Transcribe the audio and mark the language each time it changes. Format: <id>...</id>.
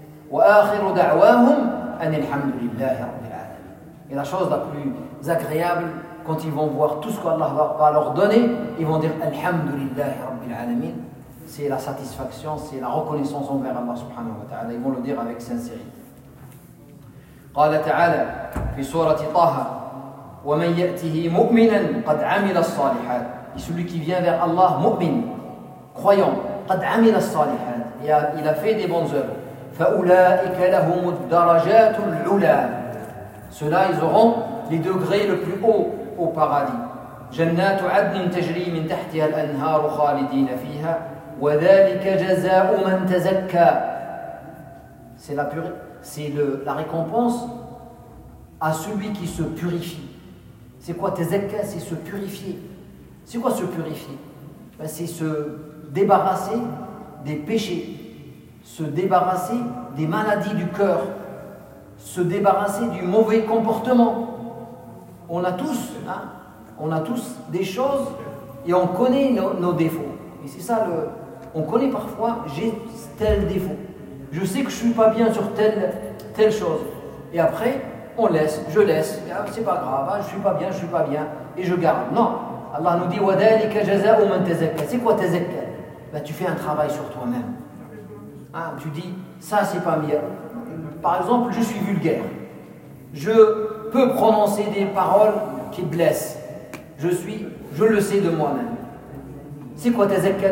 <ar>Wa akhiru da'wahum an alhamdulillah rabbil alamin.</ar> <fr>Et la chose la plus agréable quand ils vont voir tout ce qu'Allah va leur donner, ils vont dire</fr> <ar>alhamdulillah rabbil alamin.</ar> <fr>C'est la satisfaction, c'est la reconnaissance envers Allah subhanahu wa ta'ala. Ils vont le dire avec sincérité.</fr> <ar>قال تعالى في سورة طه ومن يأته مؤمنا قد عمل الصالحات.</ar> <fr>Celui qui vient vers Allah مؤمن croyant,</fr> <ar>قد عمل الصالحات,</ar> <fr>il a fait des bonnes œuvres.</fr> <ar>فأولئك لهم الدرجات العلى.</ar> <fr>Ceux-là, ils auront les degrés le plus haut au paradis.</fr> <ar>جنات عدن تجري من تحتها الأنهار خالدين فيها وذلك جزاء من تزكى.</ar> <fr>C'est la purée. C'est la récompense à celui qui se purifie. C'est quoi tezekka? C'est se purifier. C'est quoi se purifier? Ben, c'est se débarrasser des péchés, se débarrasser des maladies du cœur, se débarrasser du mauvais comportement. On a tous, hein, on a tous des choses et on connaît nos défauts. Et c'est ça, on connaît parfois, j'ai tel défaut. Je sais que je ne suis pas bien sur telle chose. Et après, on laisse, je laisse. Ah, c'est pas grave, hein, je ne suis pas bien. Et je garde. Non. Allah nous dit,</fr> <ar>وَذَلِكَ جَزَاءُ مَنْ تَزَكَّى.</ar> <fr>C'est quoi تَزَكَّى? Ben, tu fais un travail sur toi-même. Hein, tu dis, ça, c'est pas bien. Par exemple, je suis vulgaire. Je peux prononcer des paroles qui blessent. Je le sais de moi-même. C'est quoi تَزَكَّى?</fr>